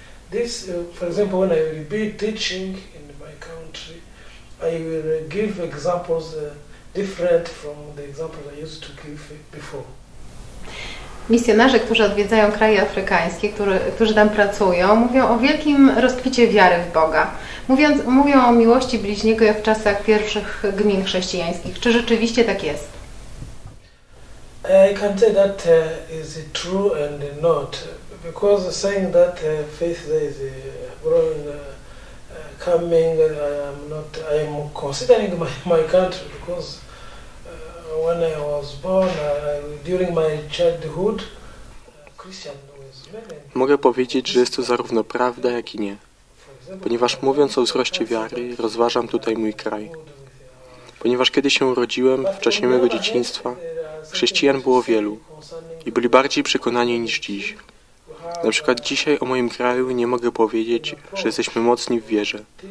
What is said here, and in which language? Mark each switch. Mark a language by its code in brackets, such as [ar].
[en] This, for example, when I will be teaching in my country, I will give examples different from the examples I used to give before. [pl] Misjonarze, którzy odwiedzają kraje afrykańskie, którzy tam pracują, mówią o wielkim rozkwicie wiary w Boga. Mówią o miłości bliźniego jak w czasach pierwszych gmin chrześcijańskich. Czy rzeczywiście tak jest? [en] I can say that is true and not. Because saying that faith is growing, coming, I am considering my country, because when I was born, during my childhood, Christian was many. [pl] Mogę powiedzieć, że jest to zarówno prawda, jak i nie. Ponieważ mówiąc o wzroście wiary, rozważam tutaj mój kraj. Ponieważ kiedy się urodziłem, w czasie mojego dzieciństwa, chrześcijan było wielu i byli bardziej przekonani niż dziś. Na przykład dzisiaj o moim kraju nie mogę powiedzieć, że jesteśmy mocni w wierze.